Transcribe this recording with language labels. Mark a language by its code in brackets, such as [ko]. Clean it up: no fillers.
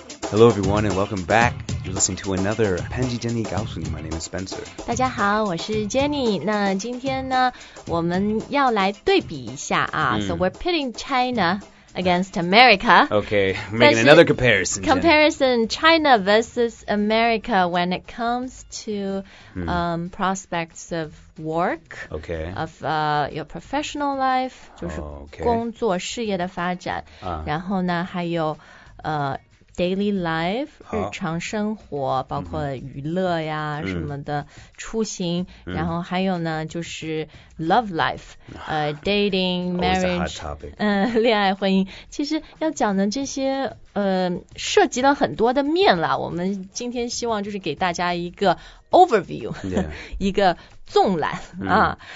[en] Hello everyone and welcome back. You're listening to another [zh] 潘吉接你告诉你。 [en] My name is Spencer. [zh] 大家好，我是 Jenny。那今天呢，我们要来对比一下啊。 [en] So we're pitting China. Against America. Okay, making another comparison. Comparison, China versus America when it comes to prospects of work, okay. [zh] of your professional life, 就是工作事业的发展、然后呢还有 [en] daily life, [zh] 日常生活包括娱乐呀、什么的出行、然后还有呢就是 [en] love life, dating, marriage, [zh] 恋爱婚姻其实要讲的这些涉及了很多的面啦我们今天希望就是给大家一个 [en] overview,、 [zh] 一个纵览、啊。